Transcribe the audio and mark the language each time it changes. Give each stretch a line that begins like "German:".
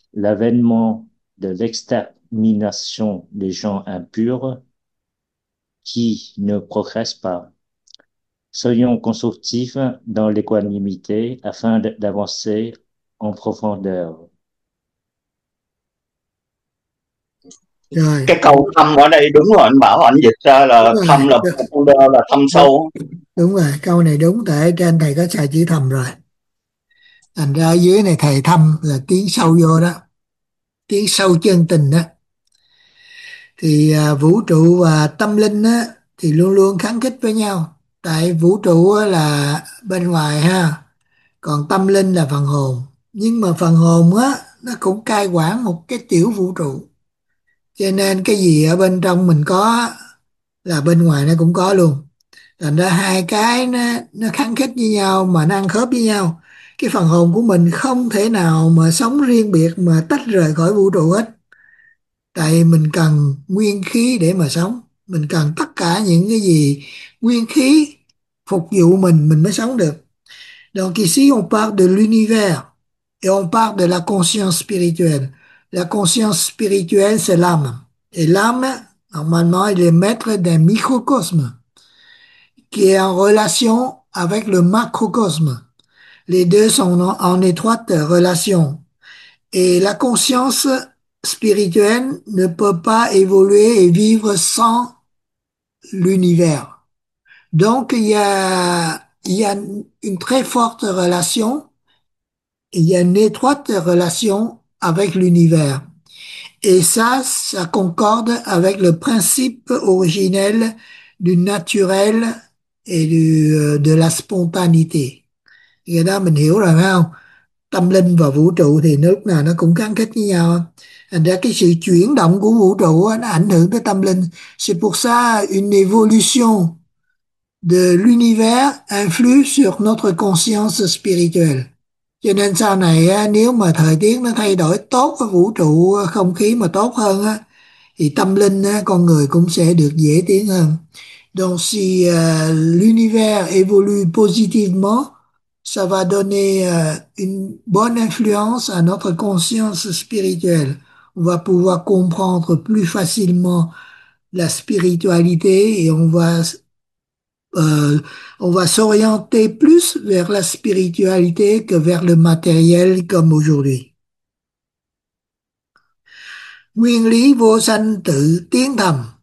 French: L'avènement de l'extermination des gens impurs qui ne progressent pas. Soyons constructifs dans l'équanimité afin d'avancer en profondeur.
Vietnamese: Rồi. Cái câu thăm ở đây đúng rồi, anh bảo anh dịch ra Đúng là thăm là rồi. profundo, là thăm Đúng. sâu. Đúng rồi, câu này đúng, tại trên thầy có xài chữ thầm rồi. Thành ra dưới này thầy thăm là tiến sâu vô đó, tiến sâu chân tình đó. Thì vũ trụ và tâm linh đó, thì luôn luôn kháng khích với nhau. Tại vũ trụ là bên ngoài ha, còn tâm linh là phần hồn. Nhưng mà phần hồn á, nó cũng cai quản một cái tiểu vũ trụ. Cho nên cái gì ở bên trong mình có là bên ngoài nó cũng có luôn. Thành ra hai cái nó khăng khít với nhau mà nó ăn khớp với nhau. Cái phần hồn của mình không thể nào mà sống riêng biệt mà tách rời khỏi vũ trụ hết. Tại mình cần nguyên khí để mà sống. Mình cần tất cả những cái gì nguyên khí phục vụ mình mới sống được.
French: Donc ici on parle de l'univers et on parle de la conscience spirituelle. La conscience spirituelle, c'est l'âme. Et l'âme, normalement, il est maître d'un microcosme qui est en relation avec le macrocosme. Les deux sont en étroite relation. Et la conscience spirituelle ne peut pas évoluer et vivre sans l'univers. Donc, il y a une très forte relation, il y a une étroite relation avec l'univers. Et ça concorde avec le principe originel du naturel et de la spontanéité. Et là,
Vietnamese: mình hiểu rồi phải không? Tâm linh và vũ trụ thì lúc nào nó cũng gắn kết với nhau. Thành ra cái sự chuyển động của vũ trụ nó ảnh hưởng tới tâm linh.
French: C'est pour ça, une évolution de l'univers influe sur notre conscience spirituelle.
Vietnamese: Cho nên sau này nếu mà thời tiết nó thay đổi tốt, với vũ trụ không khí mà tốt hơn thì tâm linh con người cũng sẽ được dễ tiến hơn.
French: Donc si l'univers évolue positivement, ça va donner une bonne influence à notre conscience spirituelle. On va pouvoir comprendre plus facilement la spiritualité et on va On va s'orienter plus vers la spiritualité que vers le matériel comme aujourd'hui.
Vietnamese: Nguyên lý vô sanh tử tiến tâm.